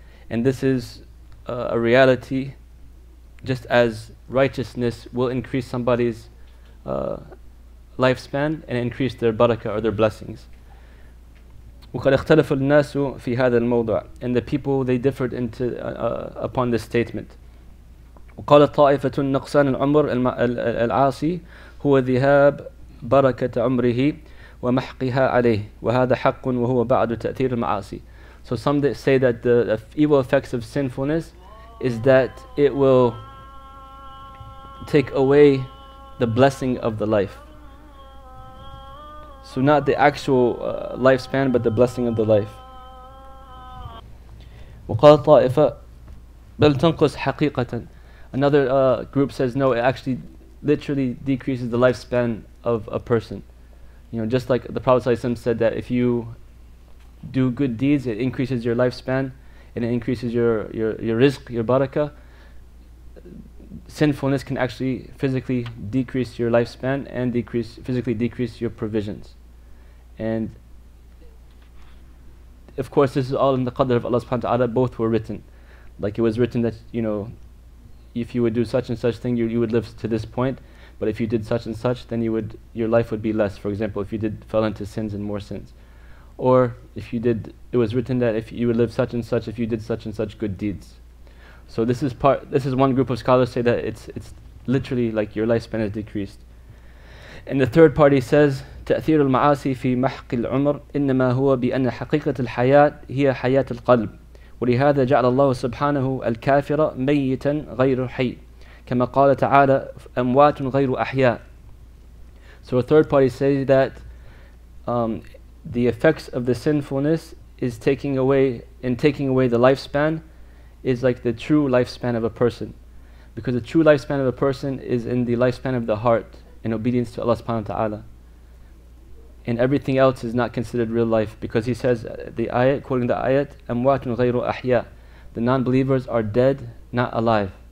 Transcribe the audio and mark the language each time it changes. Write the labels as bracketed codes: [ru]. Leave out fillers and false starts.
[en] And this is a reality, just as righteousness will increase somebody's lifespan and increase their barakah or their blessings. [ar] وقد اختلف الناس في هذا الموضوع, [en] and the people they differed upon this statement. [ar] وقال الطائفة النقصان العمر العاصي هو ذهاب بركة عمره ومحقها عليه وهذا حق وهو بعد تأثير المعاصي. [en] So some that say that the evil effects of sinfulness is that it will take away the blessing of the life. So not the actual lifespan, but the blessing of the life. [ar] وقال الطائفة بل تنقص حقيقة. [en] Another group says no, it actually literally decreases the lifespan of a person. You know, just like the Prophet ﷺ said that if you do good deeds, it increases your lifespan and it increases your rizq, your barakah. Sinfulness can actually physically decrease your lifespan and physically decrease your provisions. And of course, this is all in the qadr of Allah subhanahu wa ta'ala. Both were written. Like it was written that, you know, if you would do such and such thing, you would live to this point. But if you did such and such, then your life would be less. For example, if you fell into sins and more sins. Or if you did, it was written that if you would live such and such, if you did such and such good deeds. So this is one group of scholars say that it's literally like your lifespan is decreased. And the third party says, [ar] تأثير المعاصي في محق العمر إنما هو بأن حقيقة الحياة هي حياة القلب. ولهذا جعل الله سبحانه الكافر ميتا غير حي كما قال تعالى أموات غير أحياء. [en] So a third party says that the effects of the sinfulness is taking away the lifespan is like the true lifespan of a person, because the true lifespan of a person is in the lifespan of the heart in obedience to Allah subhanahu wa ta'ala, and everything else is not considered real life, because he says the ayat, quoting the ayat, [ar] amwatun ghayru ahya, [en] the non-believers are dead, not alive.